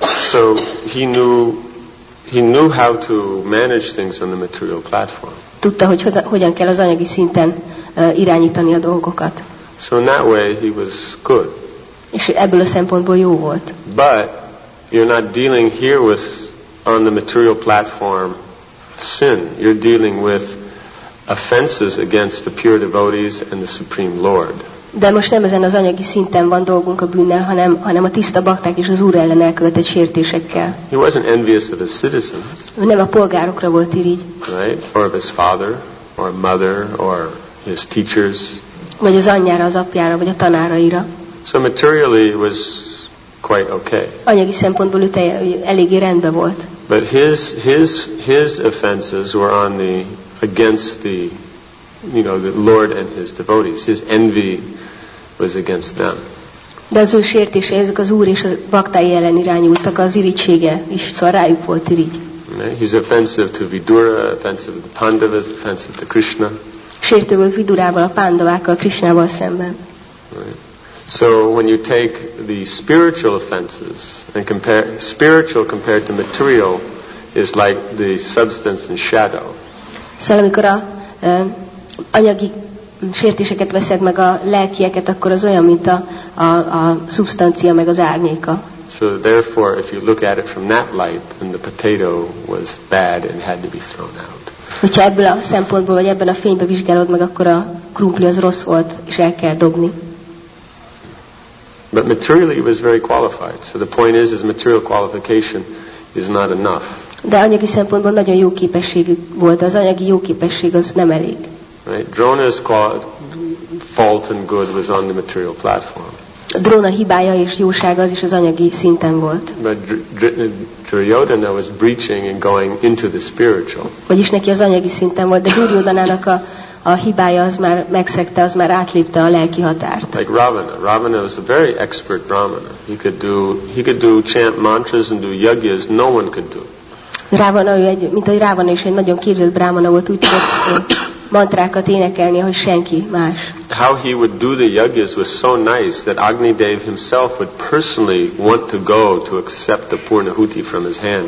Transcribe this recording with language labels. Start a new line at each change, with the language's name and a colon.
English: So he knew how to manage things on the material platform.
Hungarian: Tudta, hogy hogyan kell az anyagi szinten irányítani a dolgokat.
English: So in that way he was good.
Hungarian: És ebből a szempontból jó volt.
English: But you're not dealing here with on the material platform sin. You're dealing with offenses against the pure devotees and the Supreme Lord.
Hungarian: De most nem ezen az anyagi szinten van dolgunk a bűnnel, hanem a tiszta bakták és az Úr ellen elkövetett sértésekkel.
English: He wasn't envious of his citizens.
Hungarian: Ő nem a polgárokra volt irigy.
English: Right? Or of his father, or mother, or his teachers.
Hungarian: Vagy az anyjára, az apjára, vagy a tanáraira.
English: So materially it was quite okay.
Hungarian: Anyagi szempontból ő eléggé rendben volt.
English: But his offenses were on the against the, you know, the Lord and his devotees. His envy was against them.
Hungarian: De az ő sértése, ezek az Úr és a baktái ellen irányultak, az irigysége is, szóval rájuk volt irigy.
English: He's offensive to Vidura, offensive to the Pandavas, offensive to Krishna.
Hungarian: Sértő volt Vidurával, a Pandavákkal, Krishnával szemben.
English: Right. So when you take the spiritual offenses and compare spiritual compared to material, is like the substance and shadow.
Hungarian: Szóval amikor a anyagi sértéseket veszed meg a lelkieket, akkor az olyan, mint a szubstancia meg az árnyéka.
English: So therefore, if you look at it from that light, then the potato was bad and had to be thrown out.
Hungarian: Hogyha ebből a szempontból vagy ebben a fényben vizsgálod meg, akkor a krumpli az rossz volt és el kell dobni.
English: But materially it was very qualified. So the point is material qualification is not enough.
Hungarian: De anyagi szempontból nagyon jó képesség volt, az anyagi jó képesség az nem elég.
English: Right. Drona's fault and good was on the material platform.
Hungarian: A dróna hibája és jósága az is az anyagi szinten volt.
English: Duryodhana was breaching and going into the spiritual.
Hungarian: Vagyis neki az anyagi szinten volt, de Duryodhanának a hibája az már megszegte, az már átlépte a lelki határt.
English: Like Ravana. Ravana was a very expert brahmana. He could do chant mantras and do yajnas no one could do.
Hungarian: Ravana, Ravana is egy nagyon képzett brahmana volt, úgy tudott mantrákat énekelni, hogy senki más.
English: How he would do the yajnas was so nice that Agni Dev himself would personally want to go to accept the Purnahuti from his hand.